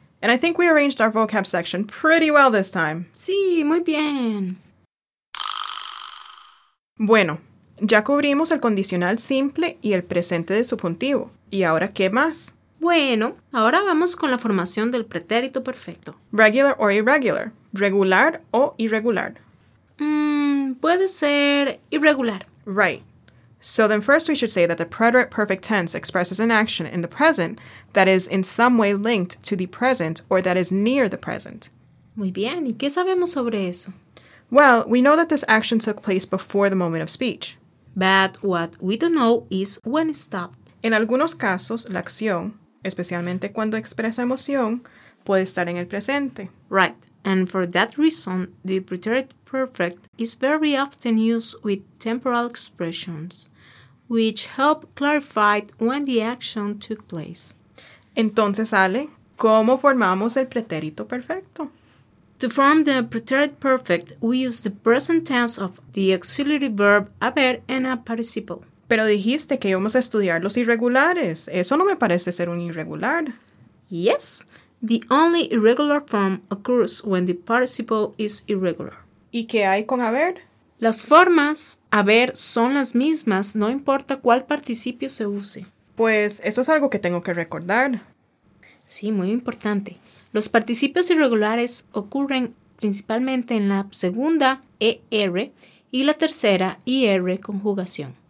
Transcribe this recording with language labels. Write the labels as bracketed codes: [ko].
[en] And I think we arranged our vocab section pretty well this time. [es] Sí, muy bien. Bueno, ya cubrimos el condicional simple y el presente de subjuntivo. ¿Y ahora qué más? Bueno, ahora vamos con la formación del pretérito perfecto. [en] Regular or irregular. [es] Regular o irregular. Puede ser irregular. [en] Right. So then first we should say that the preterite perfect tense expresses an action in the present that is in some way linked to the present or that is near the present. [es] Muy bien, ¿y qué sabemos sobre eso? [en] Well, we know that this action took place before the moment of speech. But what we don't know is when it stopped. [es] En algunos casos, la acción, especialmente cuando expresa emoción, puede estar en el presente. [en] Right, and for that reason, the preterite perfect is very often used with temporal expressions, which help clarify when the action took place. [es] Entonces, Ale, ¿cómo formamos el pretérito perfecto? [en] To form the preterite perfect, we use the present tense of the auxiliary verb haber and a participle. [es] Pero dijiste que íbamos a estudiar los irregulares. Eso no me parece ser un irregular. [en] Yes, the only irregular form occurs when the participle is irregular. [es] ¿Y qué hay con haber? Las formas haber son las mismas, no importa cuál participio se use. Pues eso es algo que tengo que recordar. Sí, muy importante. Los participios irregulares ocurren principalmente en la segunda ER y la tercera IR conjugación.